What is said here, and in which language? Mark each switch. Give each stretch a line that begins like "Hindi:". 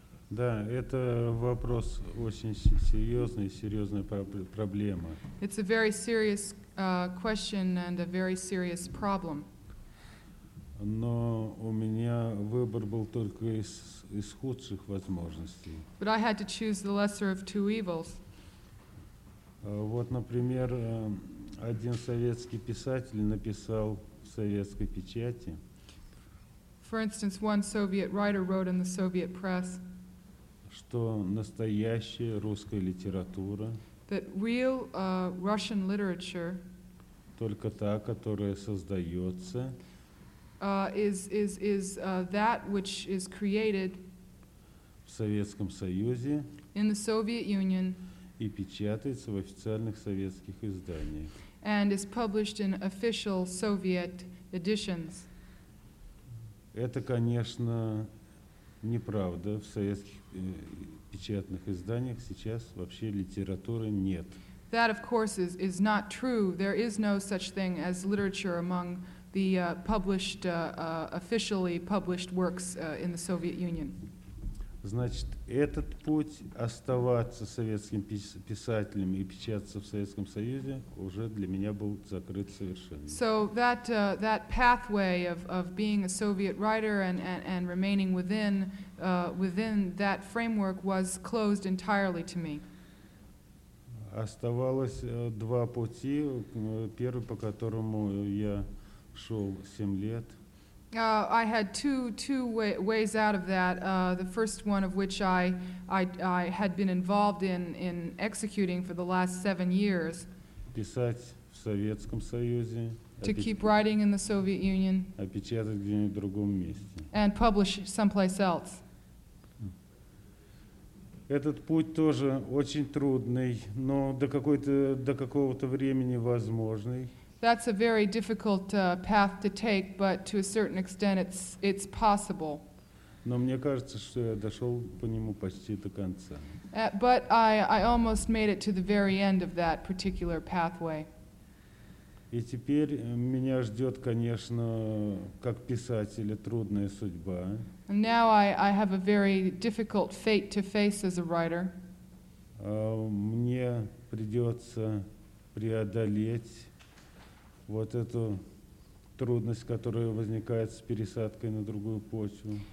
Russian: Да, это вопрос очень серьезный, серьезная проблема.
English: It's a very serious question and a very serious problem.
Russian: Но у меня выбор был только из худших возможностей.
English: But I had to choose the lesser of two evils.
Russian: Вот, например, один советский писатель написал в советской печати.
English: For instance, one Soviet writer wrote in the Soviet press.
Russian: Что настоящая русская литература.
English: That real Russian literature.
Russian: Только та, которая создается.
English: That which is created
Russian: в Советском Союзе
English: in the Soviet Union
Russian: и печатается в официальных советских изданиях.
English: And is published in official Soviet editions.
Russian: Это, конечно, неправда. В советских печатных изданиях сейчас вообще литературы нет.
English: That, of course, is not true. There is no such thing as literature among the published, officially published works in the Soviet Union.
Russian: Значит, этот путь оставаться советским писателем и печататься в Советском Союзе уже для меня был закрыт совершенно.
English: So that pathway of being a Soviet writer and remaining within that framework was closed entirely to me.
Russian: Оставалось два пути. Первый, по которому я шел 7 лет.
English: I had two ways out of that. The first one of which I had been involved in executing for the last 7 years.
Russian: Писать в Советском Союзе.
English: To keep writing in the Soviet Union.
Russian: А печатать где-нибудь в другом месте.
English: And publish someplace else.
Russian: Этот путь тоже очень трудный, но до какого-то времени возможный.
English: That's a very difficult path to take, but to a certain extent it's possible.
Russian: Но мне кажется, что я дошел по нему почти до конца.
English: But I almost made it to the very end of that particular pathway.
Russian: И теперь меня ждет, конечно, как писателя, трудная судьба.
English: And now I have a very difficult fate to face as a writer.
Russian: Мне придется преодолеть вот эту трудность, которая возникает с пересадкой на другую почву.